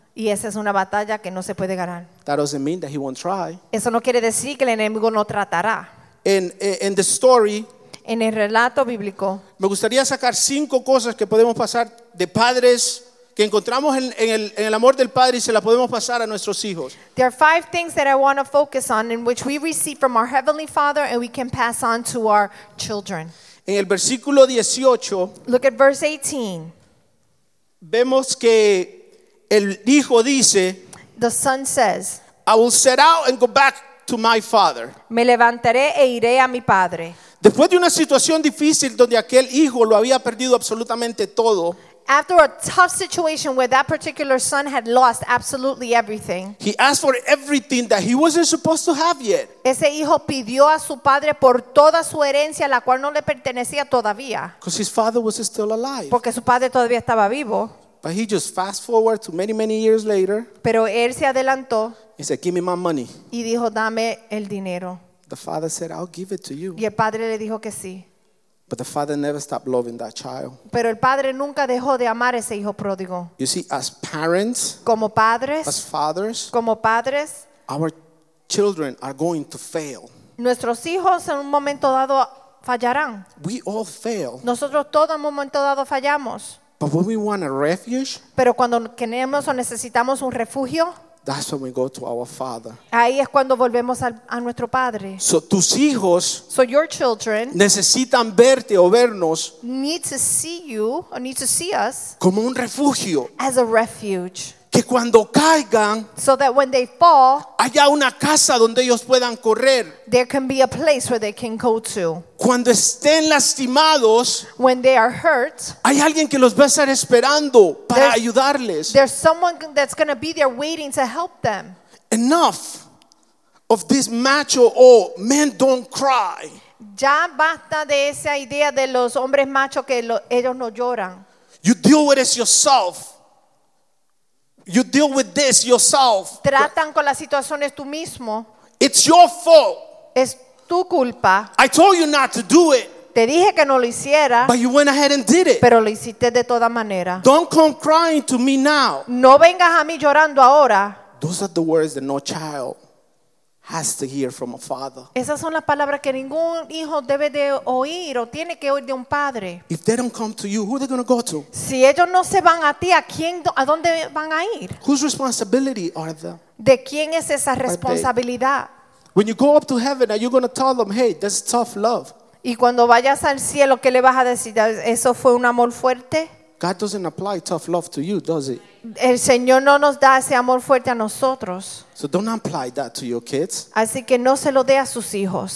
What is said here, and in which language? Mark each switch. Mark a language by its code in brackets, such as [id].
[es] Y esa es una batalla que no se puede ganar. [en] That doesn't mean that he won't try. [es] Eso no quiere decir que el enemigo no tratará. [en] In the story. [es] En el relato bíblico. Me gustaría sacar 5 cosas que podemos pasar de padres que encontramos en el amor del padre y se la podemos pasar a nuestros hijos. [en] There are 5 things that I want to focus on in which we receive from our heavenly Father and we can pass on to our children. [es] En el versículo 18. [en] Look at verse 18. [es] Vemos que el hijo dice. [en] The son says. I will set out and go back to my father. [es] Me levantaré e iré a mi padre. Después de una situación difícil donde aquel hijo lo había perdido absolutamente todo. [en] After a tough situation where that particular son had lost absolutely everything. He asked for everything that he wasn't supposed to have yet. [es] Ese hijo pidió a su padre por toda su herencia la cual no le pertenecía todavía. [en] Because his father was still alive. [es] Porque su padre todavía estaba vivo. [en] But he just fast forward to many, many years later. [es] Pero él se adelantó. [en] He said, give me my money. [es] Y dijo, dame el dinero. [en] The father said, I'll give it to you. [es] Y el padre le dijo que sí. [en] But the father never stopped loving that child. [es] Pero el padre nunca dejó de amar ese hijo pródigo. [en] You see, as parents, [es] como padres, [en] as fathers, [es] como padres, [en] our children are going to fail. [es] Nuestros hijos en un momento dado fallarán. [en] We all fail. [es] Nosotros todos en un momento dado fallamos. [en] But when we want a refuge, [es] pero cuando queremos o necesitamos un refugio, [en] that's when we go to our father. [es] Ahí es cuando volvemos a nuestro padre. So tus hijos, [en] so your children, [es] necesitan verte o vernos, [en] need to see you or need to see us, [es] como un refugio, [en] as a refuge. [es] Que cuando caigan, [en] so that when they fall, [es] haya una casa donde ellos puedan correr. [en] There can be a place where they can go to. [es] Cuando estén lastimados, [en] when they are hurt, [es] hay alguien que los va a estar esperando para ayudarles. [en] There's someone that's going to be there waiting to help them. Enough of this macho, oh, men don't cry. [es] Ya basta de esa idea de los hombres machos que ellos no lloran. [en] You deal with this yourself. You deal with this yourself. [es] Tratan con las situaciones tú mismo. [en] It's your fault. [es] Es tu culpa. [en] I told you not to do it. [es] Te dije que no lo hiciera. [en] But you went ahead and did it. [es] Pero lo hiciste de toda manera. [en] Don't come crying to me now. [es] No vengas a mí llorando ahora. [en] Those are the words that no child has to hear from a father. [es] Esas son las palabras que ningún hijo debe de oír o tiene que oír de un padre. [en] If they don't come to you, who are they going to go to? [es] Si ellos no se van a ti, ¿a dónde van a ir? [en] Whose responsibility are they? [es] ¿De quién es esa responsabilidad? [en] When you go up to heaven, are you going to tell them, hey, that's tough love? [es] Y cuando vayas al cielo, ¿qué le vas a decir? ¿Eso fue un amor fuerte? [en] God doesn't apply tough love to you, does he? [es] El Señor no nos da ese amor fuerte a nosotros. [en] So don't apply that to your kids. [es] Así que no se lo dé a sus hijos.